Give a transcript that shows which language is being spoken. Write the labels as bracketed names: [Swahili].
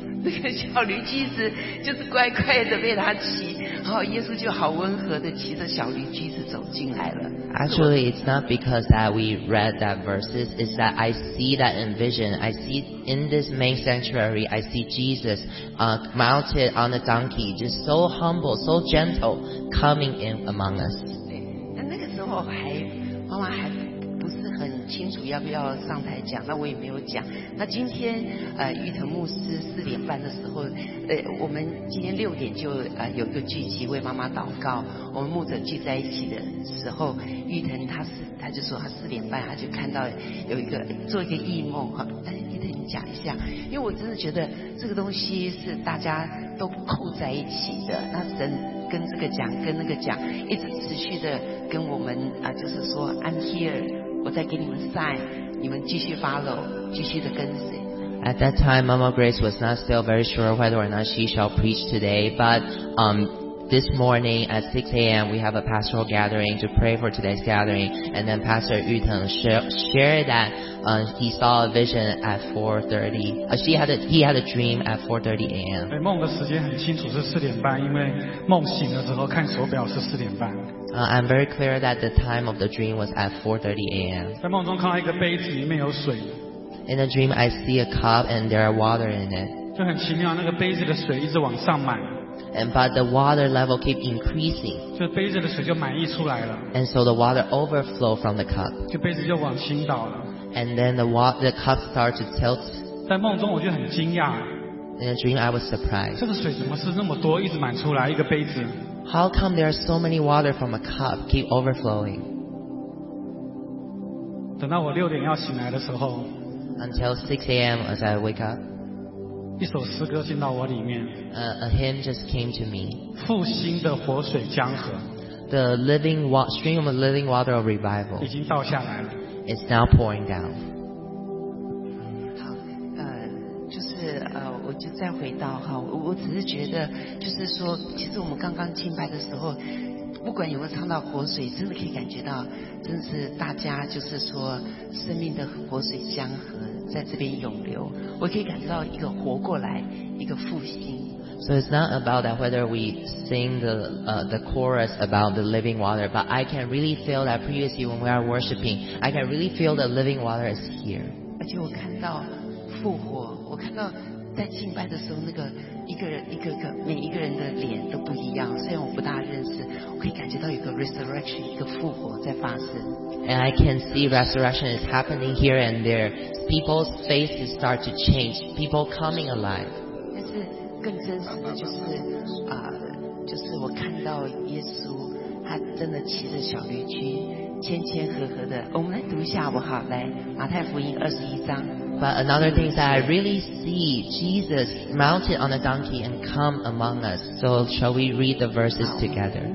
[Chinese] 那个小驴驹子就是乖乖的被他骑，然后耶稣就好温和的骑着小驴驹子走进来了。 [English] Actually, it's not because that we read that verses, it's that I see that in vision. I see in this main sanctuary, I see Jesus, mounted on a donkey, just so humble, so gentle, coming in among us. [Chinese] 对，那个时候妈妈还不是很清楚要不要上台讲，那我也没有讲。那今天玉成牧师4:30的时候，我们今天6:00就有个聚集为妈妈祷告。我们牧者聚在一起的时候，玉腾他就说他4:30他就看到有一个做一个异梦哈。但是玉腾你讲一下，因为我真的觉得这个东西是大家都扣在一起的。那神跟这个讲跟那个讲，一直持续的跟我们就是说 [English] I'm here， [Chinese] 我在给你们 sign， 你们继续 follow， 继续的跟随。 [English] At that time, Mama Grace was not still very sure whether or not she shall preach today, but this morning at 6 a.m., we have a pastoral gathering to pray for today's gathering, and then Pastor Yu Teng shared that he saw a vision at 4:30. He had a dream at 4:30 a.m. I'm very clear that the time of the dream was at 4:30 a.m. In a dream, I see a cup and there are water in it. [Chinese] 就很奇妙，那个杯子的水一直往上满。 [English] And but the water level keep increasing. [Chinese] 就杯子的水就满溢出来了。 [English] And so the water overflow from the cup. [Chinese] 就杯子就往倾倒了。 [English] And then the cup start to tilt. [Chinese] 在梦中我就很惊讶。 [English] In a dream, I was surprised. [Chinese] 这个水怎么是那么多，一直满出来一个杯子？ [English] How come there are so many water from a cup keep overflowing? [Chinese] 等到我六点要醒来的时候， [English] Until 6 a.m. as I wake up, [Chinese] 一首诗歌进到我里面， [English] A hymn just came to me. [Chinese] 复兴的活水江河， [English] The living stream of living water of revival [Chinese] 已经倒下来了， [English] It's now pouring down. [Chinese] 好，就是我就再回到哈，我只是觉得就是说，其实我们刚刚敬拜的时候，不管有没有唱到活水，真的可以感觉到，真的是大家就是说生命的活水江河在这边涌流，我可以感觉到一个活过来，一个复兴。 [English] So it's not about that whether we sing the chorus about the living water, but I can really feel that previously when we are worshiping, I can really feel the living water is here. [Chinese] 而且我看到复活，我看到在敬拜的时候那个一个人一个个每一个人的脸都不一样，虽然我不大认识，我可以感觉到有个 resurrection， 一个复活在发生。 [English] And I can see resurrection is happening here and there. People's faces start to change. People coming alive. [Chinese] 更真实的就是就是我看到耶稣他真的骑着小驴驹谦谦和和的，我们来读一下好不好，来马太福音21章。 [English] But another thing is that I really see Jesus mounted on a donkey and come among us. So shall we read the verses together?